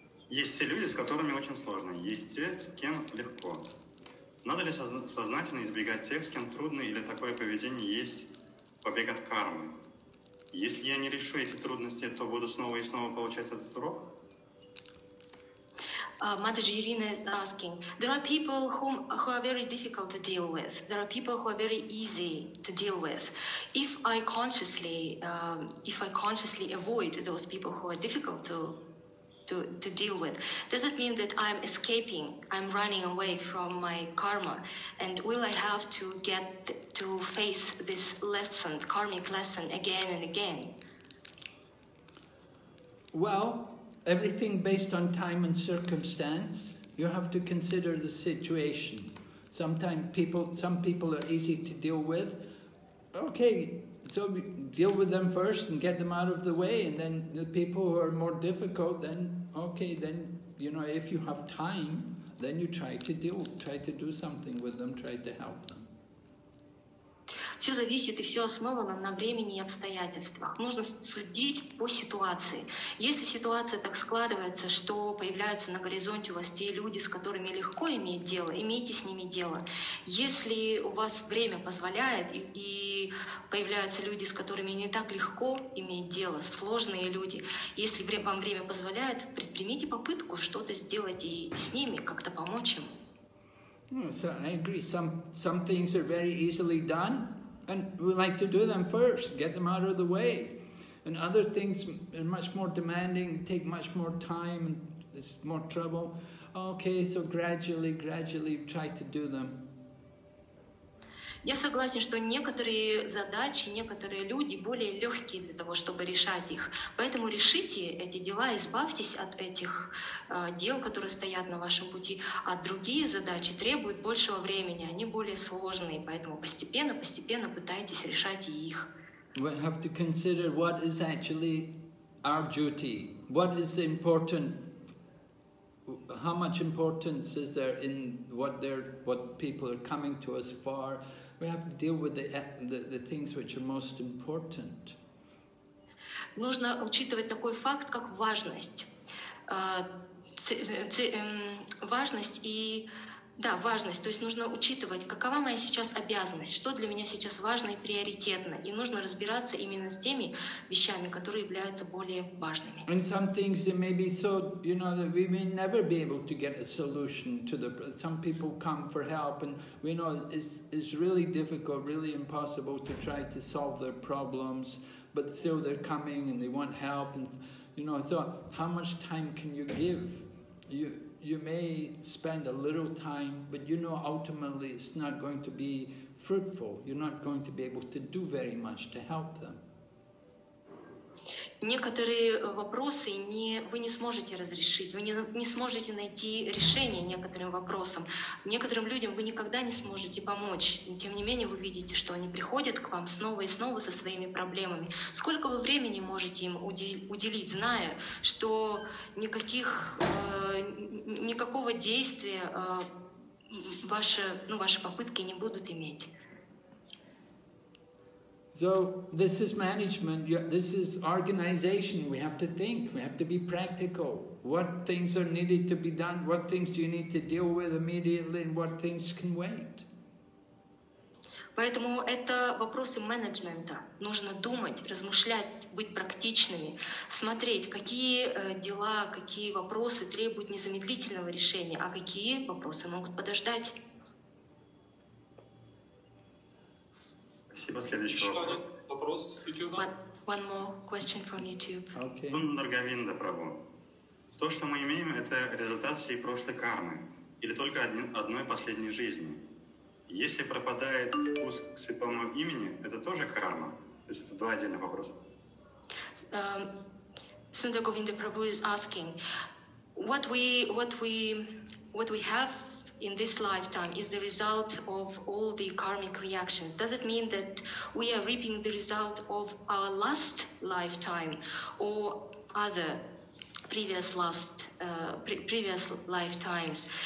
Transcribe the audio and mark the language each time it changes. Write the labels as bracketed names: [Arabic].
[Russian] Есть те люди, с которыми очень сложно, есть те, с кем легко. Надо ли сознательно избегать тех, с кем трудно, или такое поведение есть побег от кармы? Если я не решу эти трудности, то буду снова и снова получать этот урок? [English] Mataji Irina is asking, there are people who are very difficult to deal with. There are people who are very easy to deal with. If I consciously avoid those people who are difficult to deal with, does it mean that I'm escaping, I'm running away from my karma? And will I have to get to face this lesson, karmic lesson, again and again? Well, everything based on time and circumstance, you have to consider the situation. Sometimes people, some people are easy to deal with. Okay, so we deal with them first and get them out of the way, and then the people who are more difficult, then okay, then, you know, if you have time, then you try to deal, try to do something with them, try to help them. [Russian] Все зависит и все основано на времени и обстоятельствах. Нужно судить по ситуации. Если ситуация так складывается, что появляются на горизонте у вас те люди, с которыми легко иметь дело, имейте с ними дело. Если у вас время позволяет и появляются люди, с которыми не так легко иметь дело, сложные люди, если вам время позволяет, предпримите попытку что-то сделать и с ними как-то помочь им. [English] So I agree. Some things are very easily done. And we like to do them first, get them out of the way. And other things are much more demanding, take much more time, and it's more trouble. Okay, so gradually try to do them. [Russian] Я согласен, что некоторые задачи, некоторые люди более легкие для того, чтобы решать их. Поэтому решите эти дела, избавьтесь от этих дел, которые стоят на вашем пути. А другие задачи требуют большего времени, они более сложные. Поэтому постепенно пытайтесь решать их. [English] We have to consider what is actually our duty. What is the important? How much importance is there in what people are coming to us for? We have to deal with the things which are most important. [Russian] Нужно учитывать такой факт, как важность. То есть нужно учитывать, какова моя сейчас обязанность, что для меня сейчас важно и приоритетно, и нужно разбираться именно с теми вещами, которые являются более важными. [English] And some things it may be so, you know, that we may never be able to get a solution to the. Some people come for help, and we know it's really difficult, really impossible to try to solve their problems. But still, they're coming and they want help, and you know. So, how much time can you give? You may spend a little time, but you know ultimately it's not going to be fruitful. You're not going to be able to do very much to help them. [Russian] Некоторые вопросы вы не сможете разрешить, вы не сможете найти решение некоторым вопросам. Некоторым людям вы никогда не сможете помочь. Тем не менее, вы видите, что они приходят к вам снова и снова со своими проблемами. Сколько вы времени можете им уделить, зная, что никакого действия ваши попытки не будут иметь? [English] So this is management, this is organization. We have to think, we have to be practical. What things are needed to be done, what things do you need to deal with immediately, and what things can wait? [Russian] Поэтому это вопросы менеджмента. Нужно думать, размышлять, быть практичными, смотреть, какие дела, какие вопросы требуют незамедлительного решения, а какие вопросы могут подождать. Спасибо. Следующий вопрос. Еще один вопрос с YouTube. [English] One more question from YouTube. Okay. [Russian] То, что мы имеем, это результат всей прошлой кармы или только одной последней жизни. Если пропадает вкус к святому имени, это тоже карма? То есть это два отдельных вопроса. [English] Sunda Govinda Prabhu is asking, what we have in this lifetime is the result of all the karmic reactions. Does it mean that we are reaping the result of our last lifetime or other previous lifetimes?